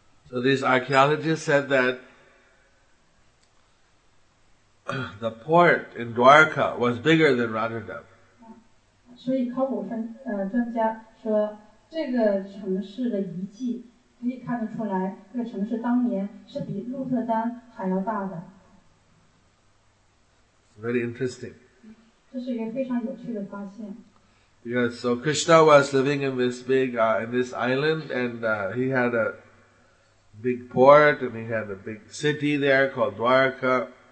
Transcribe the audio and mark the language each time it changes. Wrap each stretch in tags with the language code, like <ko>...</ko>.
<en>So these archaeologists said that the port in Dwarka was bigger than Rotterdam.</en> <zh>所以考古专家说这个城市的遗迹可以看得出来这个城市当年是比鹿特丹还要大的。</zh> <en>Very interesting.</en> <zh>这是一个非常有趣的发现。</zh> <en>Because so Krishna was living in this big in this island, and he had a big port, and he had a big city there called Dwarka.</en>